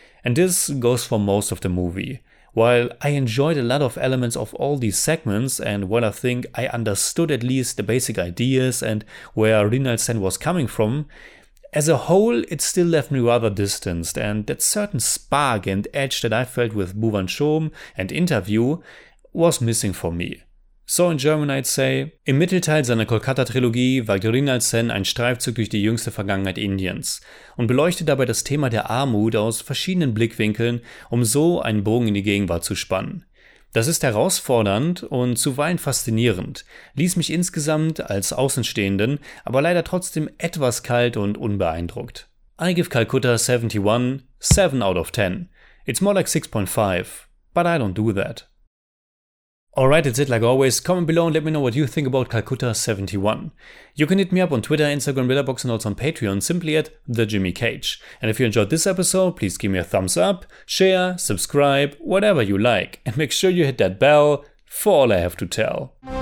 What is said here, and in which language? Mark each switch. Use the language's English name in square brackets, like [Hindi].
[English] And this goes for most of the movie. While I enjoyed a lot of elements of all these segments and while I think I understood at least the basic ideas and where Mrinal Sen was coming from, as a whole it still left me rather distanced, and that certain spark and edge that I felt with Bhuvan Shom and Interview was missing for me. So in German I'd say, [German] im Mittelteil seiner Kolkata-Trilogie wagt Mrinal Sen ein Streifzug durch die jüngste Vergangenheit Indiens und beleuchtet dabei das Thema der Armut aus verschiedenen Blickwinkeln, um so einen Bogen in die Gegenwart zu spannen. Das ist herausfordernd und zuweilen faszinierend, ließ mich insgesamt als Außenstehenden aber leider trotzdem etwas kalt und unbeeindruckt. [English] I give Calcutta 71 7 out of 10. It's more like 6.5, but I don't do that. Alright, that's it like always. Comment below and let me know what you think about Calcutta 71. You can hit me up on Twitter, Instagram, Letterboxd and also on Patreon simply at The Jimmy Cage. And if you enjoyed this episode, please give me a thumbs up, share, subscribe, whatever you like. And make sure you hit that bell for all I have to tell.